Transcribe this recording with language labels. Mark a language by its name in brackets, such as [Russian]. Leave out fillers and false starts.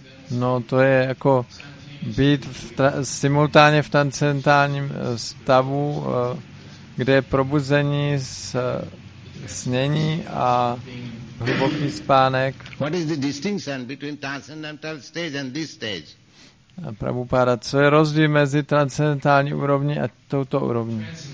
[Czech] No, to je jako být simultánně v transcendentálním stavu, kde je probuzení s snění a hluboký spánek. [English] What is the distinction between transcendental stage and this stage? [Czech] Prabhupáda, co je rozdíl mezi transcendentální úrovní a touto úrovní?